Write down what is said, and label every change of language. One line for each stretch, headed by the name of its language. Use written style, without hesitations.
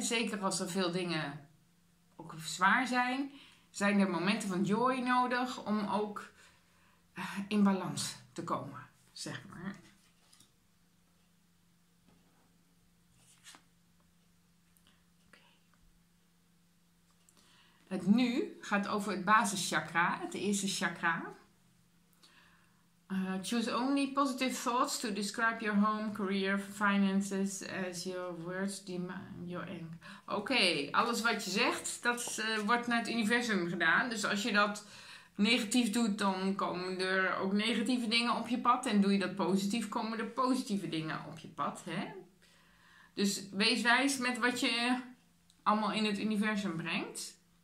Dutch: Zeker als er veel dingen ook zwaar zijn, zijn er momenten van joy nodig om ook in balans te komen, zeg maar.
English: Okay.
Dutch: Het nu gaat over het basischakra, het eerste chakra.
English: Choose only positive thoughts to describe your home, career, finances as your words demand your ink.
Dutch: Oké, alles wat je zegt, dat wordt naar het universum gedaan. Dus als je dat negatief doet, dan komen er ook negatieve dingen op je pad. En doe je dat positief, komen er positieve dingen op je pad. Hè? Dus wees wijs met wat je allemaal in het universum brengt.